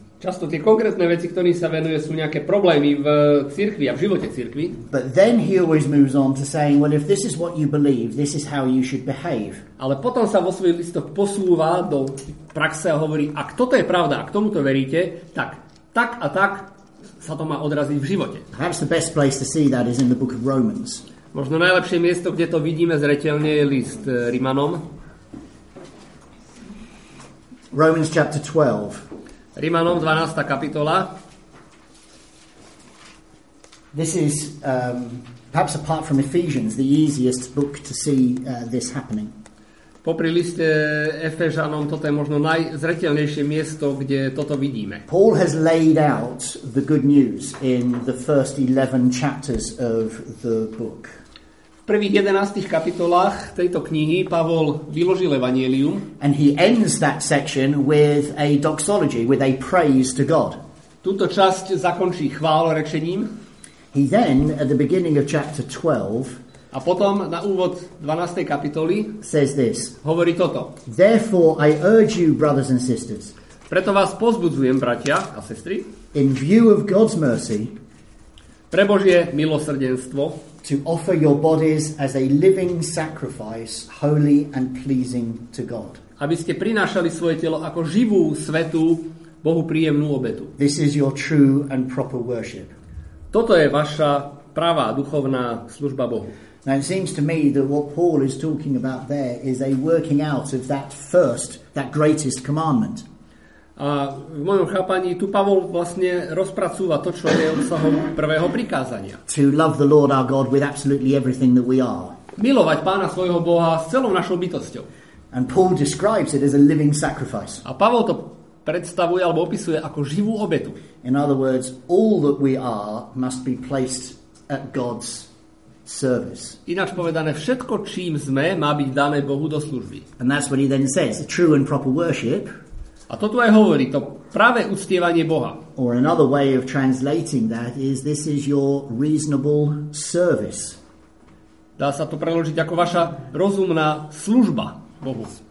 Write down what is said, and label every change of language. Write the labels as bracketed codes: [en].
[sk] Často tie konkrétne veci, ktorým sa venuje, sú nejaké problémy v cirkvi a v živote cirkvi. [en] But then he always moves on to saying, well, if this is what you believe, this is how you should behave. [sk] Ale potom sa vo svojich listoch posúva do praxe a hovorí, ak toto je pravda, ak tomuto veríte, tak tak a tak sa to má odraziť v živote. [en] Perhaps the best place to see that is in the book of Romans. [sk] Možno najlepšie miesto, kde to vidíme zreteľne, je list Rimanom. [en] Romans chapter 12. [sk] Rimanom 12. kapitola. [en] This is perhaps apart from Ephesians the easiest book to see this happening. [sk] Popri liste Efežanom toto je možno najzreteľnejšie miesto, kde toto vidíme. [en] Paul has laid out the good news in the first 11 chapters of the book. [sk] V prvých 11 kapitolách tejto knihy Pavol vyložil evanjelium. [en] And he ends that section with a doxology, with a praise to God. [sk] Túto časť zakončí chválorečením. [en] He then, at the beginning of chapter 12, [sk] a potom na úvod 12. kapitoly, [en] says this, [sk] hovorí toto. [en] Therefore I urge you, brothers and sisters, [sk] preto vás pozbudzujem, bratia a sestry, [en] in view of God's mercy, [sk] pre Božie milosrdenstvo, [en] to offer your bodies as a living sacrifice, holy and pleasing to God. [sk] Aby ste prinášali svoje telo ako živú, svetú, Bohu príjemnú obetu. [en] This is your true and proper worship. [sk] Toto je vaša pravá duchovná služba Bohu. [en] Now it seems to me that what Paul is talking about there is a working out of that first, that greatest commandment. [sk] A v mojom chápaní tu Pavol vlastne rozpracúva to, čo je obsahom prvého prikázania. [en] To love the Lord our God with absolutely everything that we are. [sk] Milovať Pána svojho Boha s celou našou bytosťou. [en] And Paul describes it as a living sacrifice. [sk] A Pavol to predstavuje alebo opisuje ako živú obetu. [en] In other words, all that we are must be placed at God's service. [sk] Ináč povedané, všetko čím sme, má byť dané Bohu do služby. [en] And that's what he then says, true and proper worship. [sk] A to tu aj hovorí, to práve uctievanie Boha. [en] Or another way of translating that is this is your reasonable service. [sk] Dá sa to preložiť ako vaša rozumná služba Bohu. It's